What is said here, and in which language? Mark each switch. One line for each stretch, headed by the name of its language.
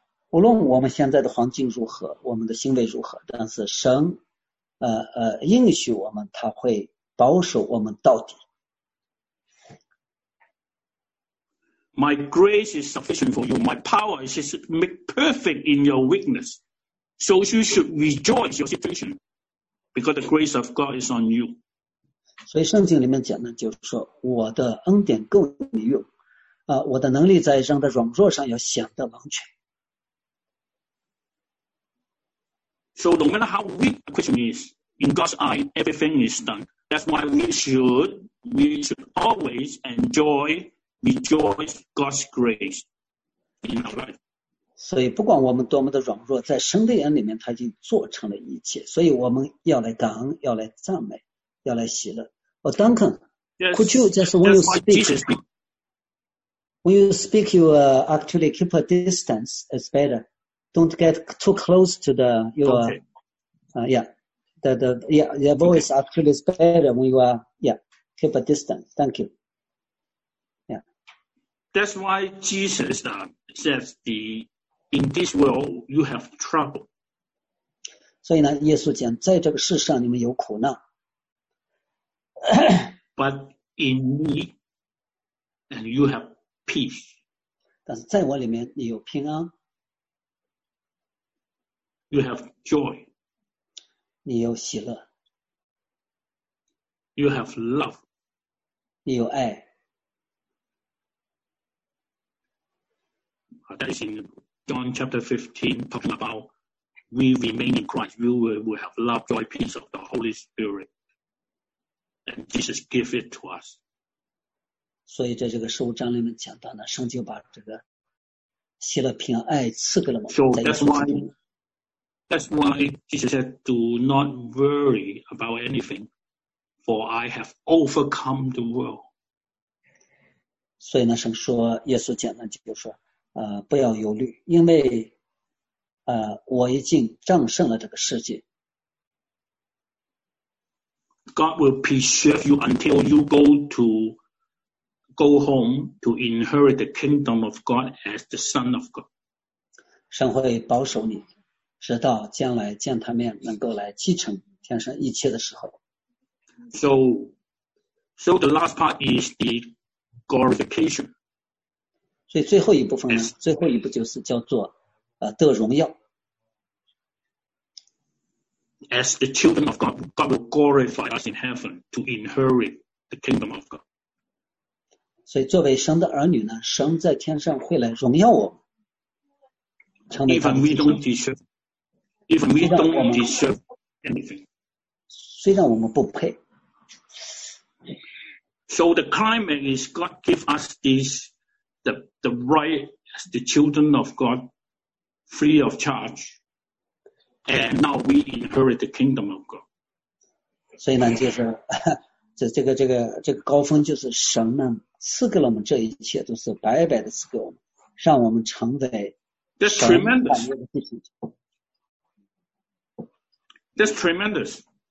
Chinese: 无论我们现在的环境如何，我们的行为如何，但是神，应许我们，他会保守我们到底。
English: My grace is sufficient for you. My power is made perfect in your weakness. So you should rejoice your situation, because the grace of God is on you.
Chinese: 所以圣经里面讲呢，就是说我的恩典够你用，我的能力在人的软弱上要显得完全。
English: So no matter how weak a Christian is, in God's eye, everything is done. That's why we should always rejoice God's grace in our life.
Chinese: 所以不管我们多么的软弱，在神的眼里面他已经做成了一切，所以我们要来感恩，要来赞美，要来喜乐。
English: Oh, Duncan, yes, could you just when you speak, you actually keep a distance, it's better. Don't get too close to your voice actually is better when you are, yeah, keep a distance. Thank you. Yeah. That's why Jesus says the,In this world, you have trouble.
Chinese: 所以呢，耶稣讲，在这个世上你们有苦难。
English: But in me, and you have peace.
Chinese: 但是在我里面你有平安。
English: You have joy.
Chinese: 你有喜乐。
English: You have love.
Chinese: 你有爱。
English: That is in John chapter 15, talking about we remain in Christ, we will have love, joy, peace of the Holy Spirit. And Jesus gave it to us.
Chinese: 所以在这个十五章里面讲到呢，圣经把这个喜乐平安爱赐给了我们。
English: So that's why Jesus said, do not worry about anything, for I have overcome the world.
Chinese: 所以呢，神说，耶稣讲呢，就说不要忧虑，因为我已经战胜了这个世界。
English: God will preserve you until you go home to inherit the kingdom of God as the son of God.
Chinese: 神会保守你，直到将来见他面，能够来继承天上一切的时候。
English: So the last part is the glorification.
Chinese: 所以最后一部分呢，最后一步就是叫做得荣耀。
English: As the children of God, God will glorify us in heaven to inherit the kingdom of God.
Chinese: 所以作为神的儿女呢，神在天上会来荣耀我们。
English: Even we don't deserve anything.
Chinese: 虽然我们不配。
English: So the climate is God give us this. The right as the children of God, free of charge. And now we inherit the kingdom of God.
Chinese: 所以呢，就是这个高峰，就是神呢赐给了我们这一切，都是白白的赐给我们，让我们承载。
English: That's tremendous. That's tremendous.